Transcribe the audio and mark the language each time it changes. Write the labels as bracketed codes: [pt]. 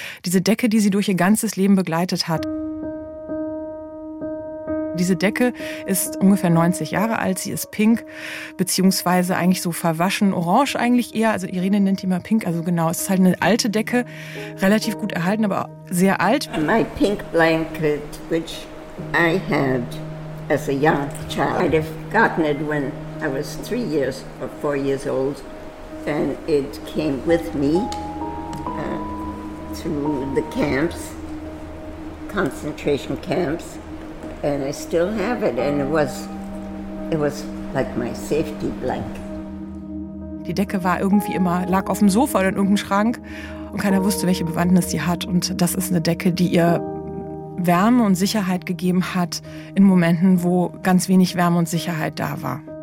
[de] Diese Decke, die sie durch ihr ganzes Leben begleitet hat. Diese Decke ist ungefähr 90 Jahre alt. Sie ist pink, beziehungsweise eigentlich so verwaschen, orange eigentlich eher. Also Irene nennt die mal pink, also genau. Es ist halt eine alte Decke, relativ gut erhalten, aber sehr alt. [en] My pink blanket, which I had as a young child. I'd have gotten it when I was 3 years or 4 years old. And it came with me through the camps, concentration camps. And I still have it, and it was like my safety blanket. [de] Die Decke war irgendwie immer, lag auf dem Sofa oder in irgendeinem Schrank und keiner wusste, welche Bewandtnis sie hat. Und das ist eine Decke, die ihr Wärme und Sicherheit gegeben hat in Momenten, wo ganz wenig Wärme und Sicherheit da war.